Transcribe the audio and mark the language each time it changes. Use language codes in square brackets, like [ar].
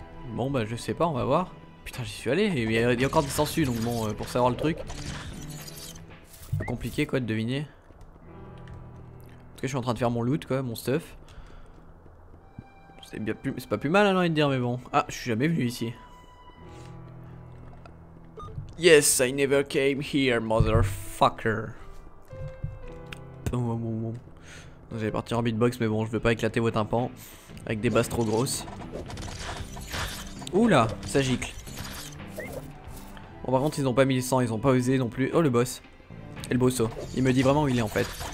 [fr] Bon bah je sais pas, on va voir. Putain, j'y suis allé. Il y a encore des sensus, donc bon, pour savoir le truc. Compliqué quoi de deviner. En tout cas, je suis en train de faire mon loot quoi, mon stuff. C'est bien plus, c'est pas plus mal hein, j'ai envie de dire, mais bon. Ah, je suis jamais venu ici. [en] Yes, I never came here, motherfucker. [fr] J'allais partir en beatbox, mais bon, je veux pas éclater vos tympans avec des basses trop grosses. Oula, ça gicle. Bon, par contre, ils ont pas mis le sang, ils ont pas osé non plus. Oh, le boss. Et le bosso, il me dit vraiment où il est en fait.